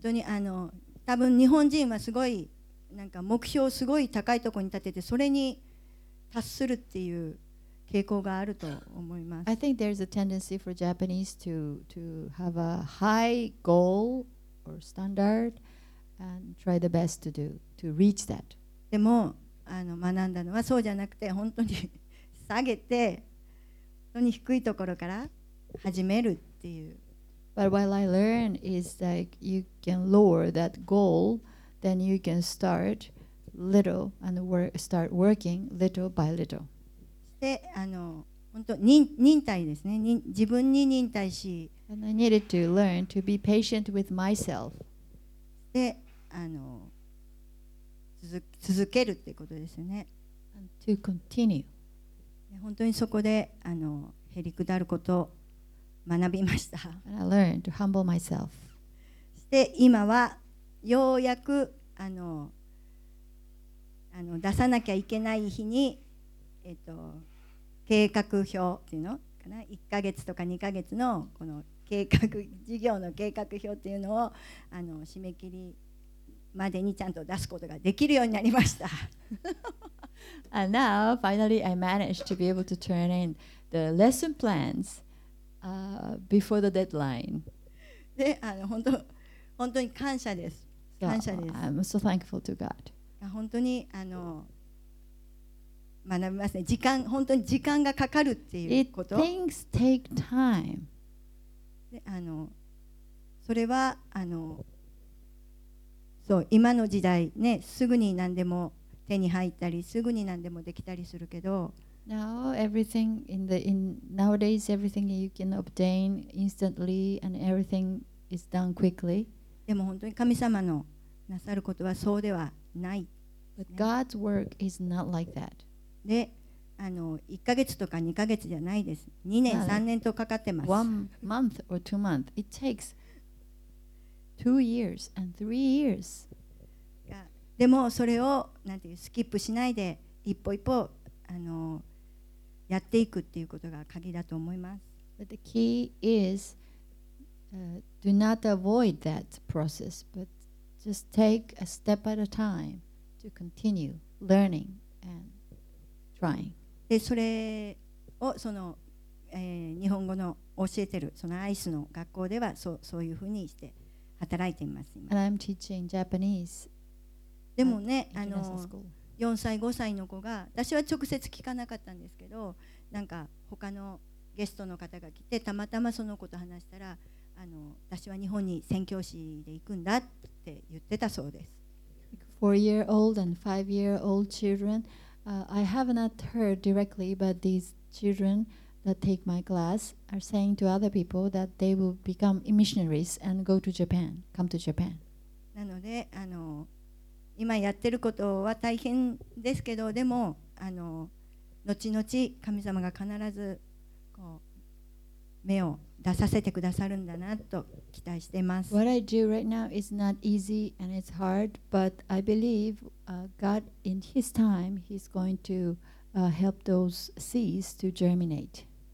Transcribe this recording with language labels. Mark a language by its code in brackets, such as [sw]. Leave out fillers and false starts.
[ja] 本当にあの多分日本人はすごいなんか目標をすごい高いところに立ててそれに達するっていう傾向があると思います。 [en] I think there's a tendency for Japanese to have a high goal or standard and try the best to do to reach that. [ja] でもあの学んだのはそうじゃなくて本当に下げて本当に低いところから始めるっていう。 [en] But what I learned is like you can lower that goal, then you can start little and work, start working little by little. [ja] であの本当に忍耐ですね自分に忍耐し [en] And I needed to learn to be patient with myself. [ja] であの続けるってことですよね [en] And to continue. [ja] 本当にそこであの減り下ることを学びました [en] And I learned to humble myself. [ja] で今はようやくあの出さなきゃいけない日に計画表っていうのかな1ヶ月とか2ヶ月のこの計画事業の計画表っていうのをあの締め切りまでにちゃんと出すことができるようになりました。 [en] And now finally I managed to be able to turn in the lesson plans、before the deadline. [ja] で、あの本当に感謝です。感謝です。 [en] So, I'm so thankful to God. [ja] 本当にあの学びますね。時間本当に時間がかかるっていうこと。 [en] It things take time。 [ja] あのそれはあのそう今の時代ねすぐに何でも手に入ったりすぐに何でもできたりするけど。 [en] Now everything nowadays everything you can obtain instantly and everything is done quickly。 [ja] でも本当に神様のなさることはそうではない。 [en] But God's work is not like that。 [ja] で、あの1ヶ月とか2ヶ月じゃないです。 2年、3年とかかってます。 [en] One month or two months. It takes two years and three years. [ja] でもそれをなんていうスキップしないで一歩一歩あのやっていくっていうことが鍵だと思います。 [en] But the key is do not avoid that process, but just take a step at a time to continue learning and [ja] でそれをその、日本語の教えてるそのアイスの学校ではそういうふうにして働いています。 [en] And I'm teaching Japanese. [ja] でもね、あの4歳5歳の子が私は直接聞かなかったんですけど、なんか他のゲストの方が来てたまたまその子と話したら、あの私は日本に宣教師で行くんだって言ってたそうです。 [en] 4-year-old and 5-year-old children. I have not heard directly, but these children that take my class are saying to other people that they will become missionaries and go to Japan, come to Japan. [ja] なのであの今やってることは大変ですけど、でもあの後々神様が必ずこう目を出させてくださるんだなと期待しています。 [en] What I do right now is not easy and it's hard, but I believe God in His time He's going to help those seeds to germinate.